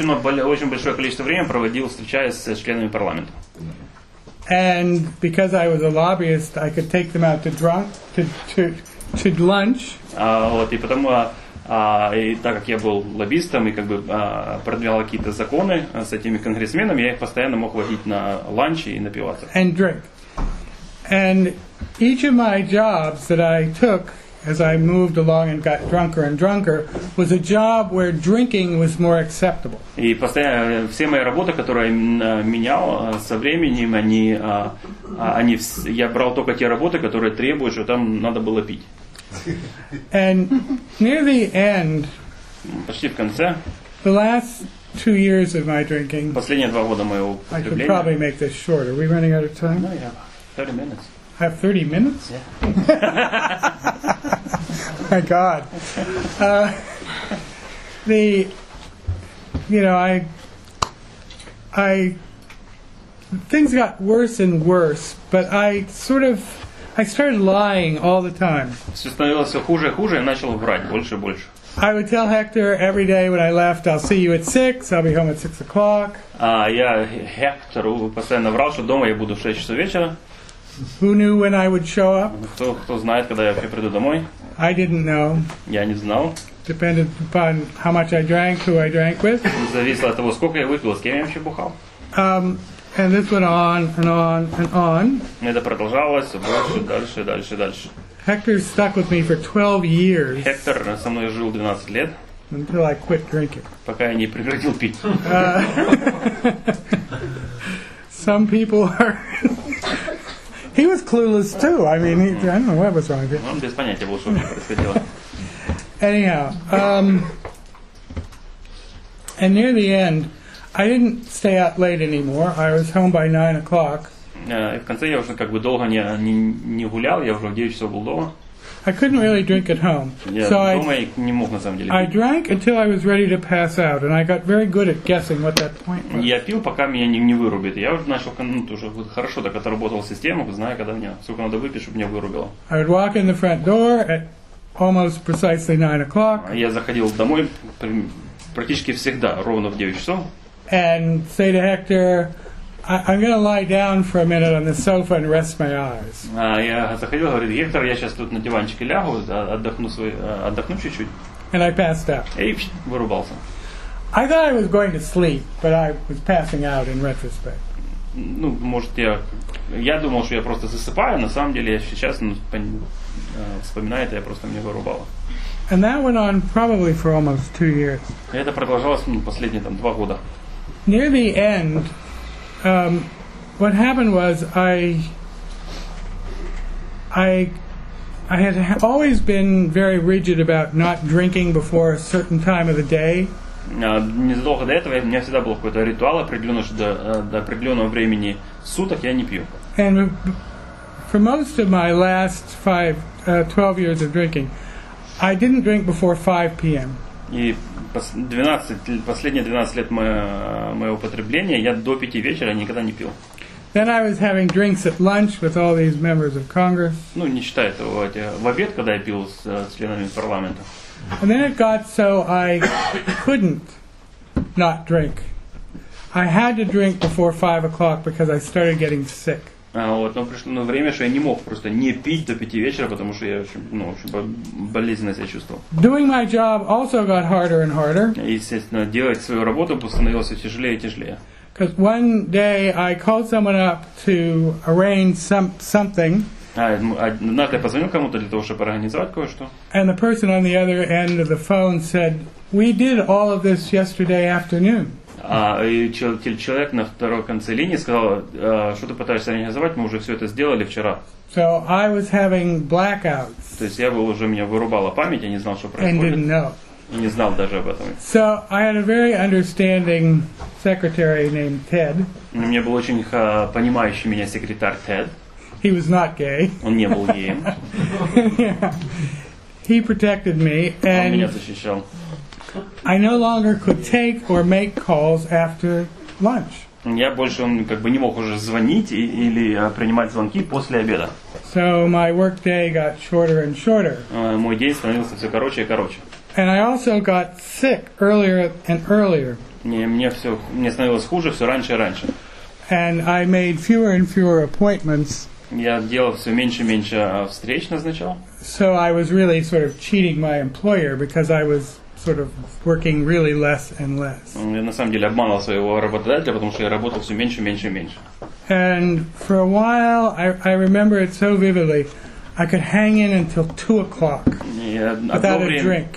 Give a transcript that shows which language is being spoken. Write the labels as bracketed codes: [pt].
[ru] То есть он очень большое количество времени проводил, встречаясь с членами парламента. [en] And because I was a lobbyist, I could take them out to lunch. [ru] Вот, и потому, и так как я был лоббистом и как бы продвигал какие-то законы с этими конгрессменами, я их постоянно мог водить на ланч и напиваться. [en] And drink. And each of my jobs that I took as I moved along and got drunker and drunker, was a job where drinking was more acceptable. [ru] И постоянно все мои работы, которые я менял со временем, я брал только те работы, которые требуют, что там надо было пить. [en] And near the end, [ru] почти в конце, [en] the last 2 years of my drinking, [ru] последние 2 года моего употребления, [en] I should probably make this short. Are we running out of time? No, yeah, 30 minutes. Have 30 minutes? Yeah. My God. Things got worse and worse, but I started lying all the time. [ru] Все становилось все хуже и хуже, я начал врать больше и больше. [en] I would tell Hector every day when I left, I'll see you at 6, I'll be home at 6 o'clock. [ru] Я Гектору постоянно врал, что дома я буду в 6 часов вечера. [en] Who knew when I would show up? [ru] Кто знает, когда я приду домой? [en] I didn't know. [ru] Я не знал. [en] Depended upon how much I drank, who I drank with. [ru] Зависело от того, сколько я выпил, с кем я вообще бухал. [en] And this went on and on and on. [ru] Это продолжалось больше, дальше, дальше, дальше. [en] Hector stuck with me for 12 years. [ru] Hector со мной жил 12 лет. [en] Until I quit drinking. [ru] Пока я не прекратил пить. [en] Some people are. He was clueless too. I mean, I don't know what was wrong with him. [ru] Без понятия было, что у меня происходило. [en] Anyhow, and near the end, I didn't stay out late anymore. I was home by 9 o'clock. [ru] В конце я уже как бы долго не гулял. Я уже 9 часов был дома. [en] I couldn't really drink at home. I drank until I was ready to pass out, and I got very good at guessing what that point was. [ru] Я пил, пока меня не вырубит. Я уже начал, хорошо так отработал систему, знаю, когда мне, сколько надо выпить, чтобы меня вырубило. [en] I would walk in the front door at almost precisely 9 o'clock. [ru] Я заходил домой практически всегда, ровно в 9 часов. [en] And say to Hector, I'm going to lie down for a minute on the sofa and rest my eyes. [ru] Я заходил, говорит, Гектор, я сейчас тут на диванчике лягу, отдохну чуть-чуть. [en] And I passed out. [ru] И вырубался. [en] I thought I was going to sleep, but I was passing out in retrospect. [ru] Ну, может, я думал, что я просто засыпаю, на самом деле, я сейчас вспоминаю это, я просто меня вырубало. [en] And that went on probably for almost 2 years. [ru] И это продолжалось последние 2 года. [en] Near the end, what happened was I had always been very rigid about not drinking before a certain time of the day. [ru] Незадолго до этого у меня всегда был какой-то ритуал определенный, что до определенного времени суток я не пью. [en] And for most of my last 12 years of drinking, I didn't drink before 5 p.m. [ru] И последние 12 лет моего употребления я до 5 вечера никогда не пил. [en] Then I was having drinks at lunch with all these members of Congress. [ru] Ну, не считая этого, в обед, когда я пил с членами парламента. [en] And then it got so I couldn't not drink. I had to drink before 5 o'clock because I started getting sick. [ru] Вот, но пришло на время, что я не мог просто не пить до 5 вечера, потому что я очень, ну, очень болезненно себя чувствовал. [en] Doing my job also got harder and harder. [ru] Естественно, делать свою работу становилось тяжелее и тяжелее. [en] Because one day I called someone up to arrange something. [ru] Однажды я позвонил кому-то для того, чтобы организовать кое-что. [en] And the person on the other end of the phone said, "We did all of this yesterday afternoon." [ru] А человек на второй конце линии сказал, что ты пытаешься организовать, мы уже все это сделали вчера. [en] So I was having blackouts. [ru] То есть я был уже, меня вырубала память, я не знал, что происходит. [en] And didn't know. [ru] И не знал даже об этом. [en] So I had a very understanding secretary named Ted. [ru] У меня был очень понимающий меня секретарь Тед. [en] He was not gay. [ru] Он не был геем. [en] He protected me. [ru] Он меня защищал. [en] I no longer could take or make calls after lunch. [ru] Я больше как бы не мог уже звонить или принимать звонки после обеда. [en] So my work day got shorter and shorter. [ru] Мой день становился все короче и короче. [en] And I also got sick earlier and earlier. [ru] Мне становилось хуже все раньше и раньше. [en] And I made fewer and fewer appointments. [ru] Я делал все меньше и меньше встреч назначал. [en] So I was really sort of cheating my employer because I was sort of working really less and less. [ru] Я на самом деле обманывал своего работодателя, потому что я работал все меньше, меньше и меньше. [en] And for a while, I remember it so vividly, I could hang in until 2 o'clock without a drink.